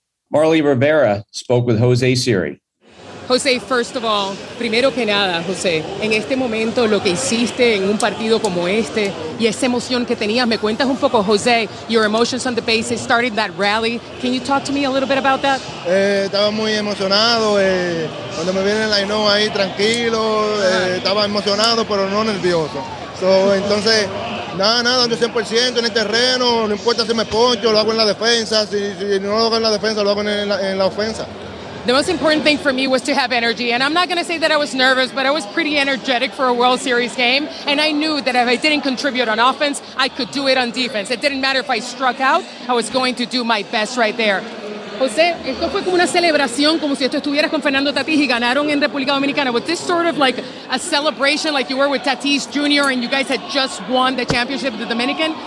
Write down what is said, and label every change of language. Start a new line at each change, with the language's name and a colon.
English: Marley Rivera spoke with Jose Siri.
Spanish: Jose,
English: first of all,
Spanish: primero que nada, Jose, en este momento lo que hiciste en un partido como este y esa emoción que tenías, me cuentas un poco, Jose,
English: your emotions on the bases, starting that rally. Can you talk to me a little bit about that?
Spanish: Estaba muy emocionado. Cuando me viene el line up ahí, tranquilo, estaba emocionado, pero no nervioso. So, entonces, nada, ando 100% en el terreno, no importa si me poncho, lo hago en la defensa, si no lo hago en la defensa, lo hago en la ofensa.
English: The most important thing for me was to have energy. And I'm not going to say that I was nervous, but I was pretty energetic for a World Series game. And I knew that if I didn't contribute on offense, I could do it on defense. It didn't matter if I struck out. I was going to do my best right there.
Spanish: Jose, esto fue como una celebración, como si esto estuvieras con Fernando Tatis y ganaron en República Dominicana.
English: Was this sort of like a celebration like you were with Tatis Jr. and you guys had just won the championship of the Dominican?